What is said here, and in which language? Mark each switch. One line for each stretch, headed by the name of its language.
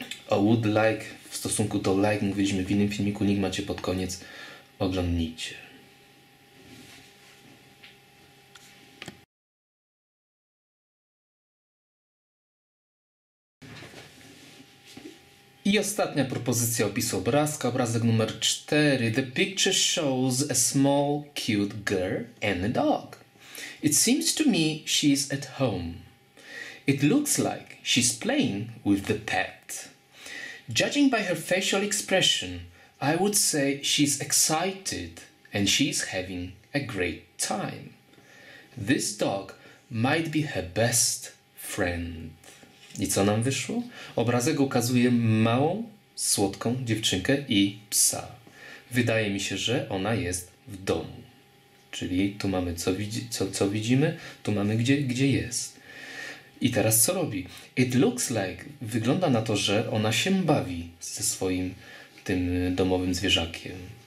Polish: A would like w stosunku do like mówiliśmy w innym filmiku, link macie pod koniec, oglądnijcie. I ostatnia propozycja opisu obrazka, obrazek numer 4.
English: The picture shows a small cute girl and a dog. It seems to me she's at home. It looks like she's playing with the pet. Judging by her facial expression, I would say she's excited and she's having a great time. This dog might be her best friend.
Polish: I co nam wyszło? Obrazek ukazuje małą, słodką dziewczynkę i psa. Wydaje mi się, że ona jest w domu. Czyli tu mamy co widzimy, tu mamy gdzie jest. I teraz co robi?
English: It looks like,
Polish: wygląda na to, że ona się bawi ze swoim tym domowym zwierzakiem.